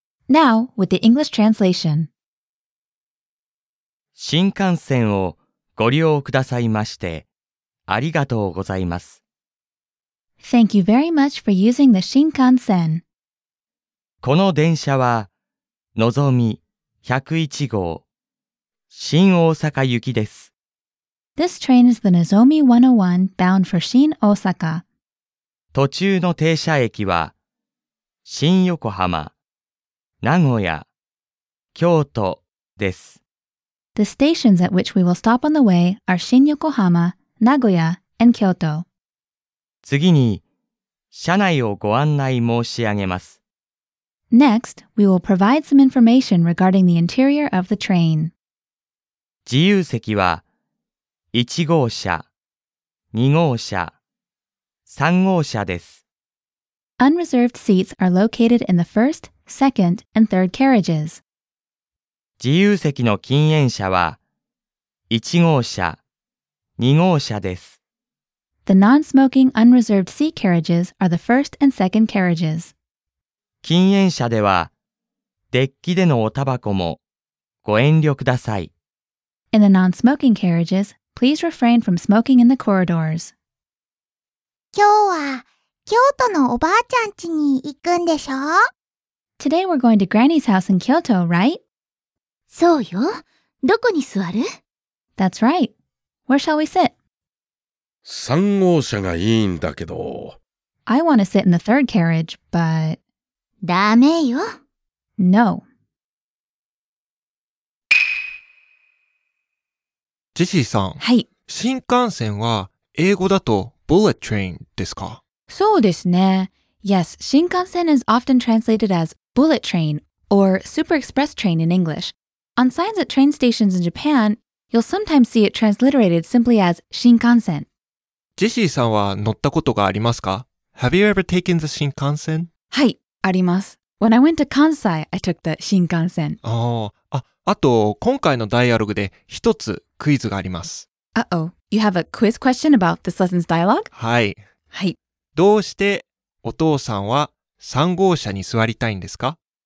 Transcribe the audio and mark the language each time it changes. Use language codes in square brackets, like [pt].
[en] Now, with the English translation. [ja] 新幹線をご利用くださいましてありがとうございます。 [en] Thank you very much for using the Shinkansen. [ja] この電車は、のぞみ101号、新大阪行きです。 [en] This train is the Nozomi 101 bound for 新大阪。 [ja] 途中の停車駅は、新横浜、名古屋、京都です。 [en] The stations at which we will stop on the way are 新横浜、名古屋、and 京都。 [ja] 次に、車内をご案内申し上げます。 [en] Next, we will provide some information regarding the interior of the train. [ja] 自由席は、1号車、2号車、3号車です。 [en] Unreserved seats are located in the first, second, and third carriages. [ja] 自由席の禁煙車は1号車、2号車です。 [en] The non-smoking unreserved seat carriages are the first and second carriages. [ja] 禁煙車ではデッキでのおタバコもご遠慮ください。 [en] In the non-smoking carriages, please refrain from smoking in the corridors. [ja] 今日は京都のおばあちゃん家に行くんでしょ? [en] Today we're going to Granny's house in Kyoto, right? [ja] そうよ。どこに座る? [en] That's right. Where shall we sit? [ja] 3号車がいいんだけど。 [en] I want to sit in the third carriage, but... [ja] ダメよ。 [en] No. [ja] 自身さん。はい。新幹線は英語だと bullet train ですか? そうですね。 [en] Yes, 新幹線 is often translated as bullet train or super express train in English. On signs at train stations in Japan, you'll sometimes see it transliterated simply as 新幹線. [ja] ジェシーさんは乗ったことがありますか? [en] Have you ever taken the 新幹線? [ja] はい、あります。 [en] When I went to Kansai, I took the 新幹線. [ja] あと、今回のダイアログで一つクイズがあります。 [en] Uh-oh, you have a quiz question about this lesson's dialogue? [ja] はい。はい。どうしてお父さんは3号車に座りたいんですか?